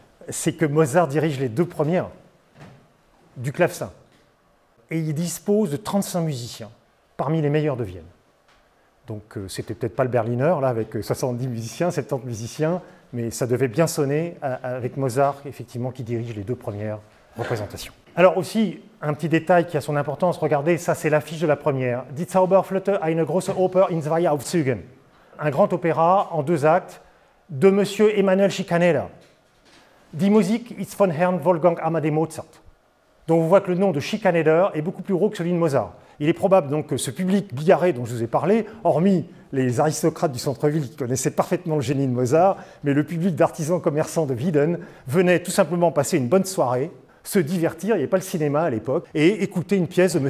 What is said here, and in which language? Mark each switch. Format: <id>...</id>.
<fr>C'est que Mozart dirige les deux premières du clavecin et il dispose de 35 musiciens parmi les meilleurs de Vienne. Donc c'était peut-être pas le Berliner là avec 70 musiciens, 70 musiciens, mais ça devait bien sonner avec Mozart effectivement qui dirige les deux premières représentations. Alors aussi, un petit détail qui a son importance, regardez, ça c'est l'affiche de la première.</fr> <de>Die Zauberflöte, eine große Oper in zwei Aufzügen.</de> <fr>Un grand opéra en deux actes de Monsieur Emmanuel Schikaneder.</fr> <de>Die Musik ist von Herrn Wolfgang Amadeus Mozart.</de> <fr>Donc on voit que le nom de Schikaneder est beaucoup plus gros que celui de Mozart. Il est probable donc que ce public bigarré dont je vous ai parlé, hormis les aristocrates du centre-ville qui connaissaient parfaitement le génie de Mozart, mais le public d'artisans commerçants de Wieden, venait tout simplement passer une bonne soirée, se divertir, il n'y avait pas le cinéma à l'époque, et écouter une pièce de M.</fr>